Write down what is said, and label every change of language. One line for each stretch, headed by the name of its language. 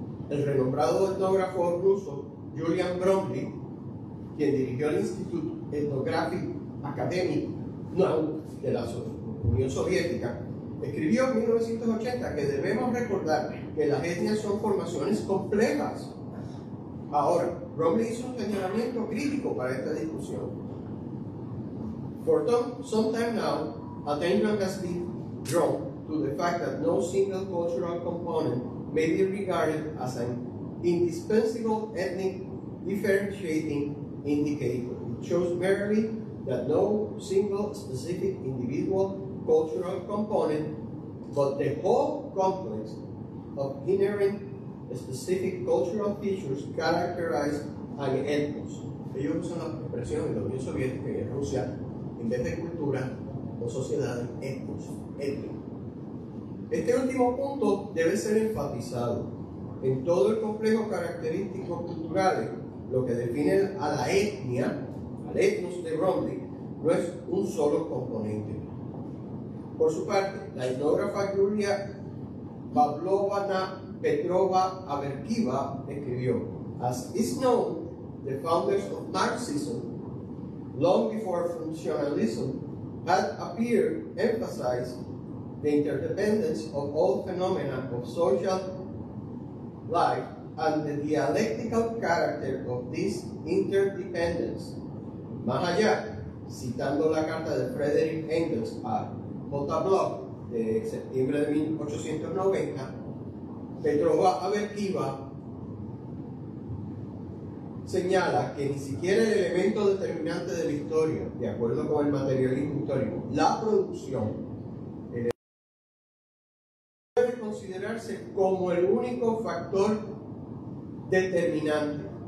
Spanish: El renombrado etnógrafo ruso Julian Bromley, quien dirigió el Instituto Ethnographic Academic Now de la Unión Soviética, escribió en 1980 que debemos recordar que las etnias son formaciones complejas. Ahora, Bromley hizo un señalamiento crítico para esta discusión.
English: For some time now, attention has been drawn to the fact that no single cultural component may be regarded as an indispensable ethnic differentiating indicator. It shows merely that no single specific individual cultural component, but the whole complex of inherent specific cultural features characterize an ethnos.
Spanish: Ellos usan la expresión en la Unión Soviética y en Rusia, en vez de cultura o sociedad, ethnos, etnia. Este último punto debe ser enfatizado. En todo el complejo característico cultural, lo que define a la etnia, al etnos de Bromley, no es un solo componente. Por su parte, la etnógrafa Yulia Pavlovna Petrova Averkiva escribió:
English: as is known, the founders of Marxism, long before functionalism, had appeared emphasized the interdependence of all phenomena of social life and the dialectical character of this interdependence.
Spanish: Más allá, citando la carta de Frederick Engels a J. Bloch de septiembre de 1890, Petrova Averkiva señala que ni siquiera el elemento determinante de la historia, de acuerdo con el materialismo histórico, la producción, considerarse como el único factor determinante.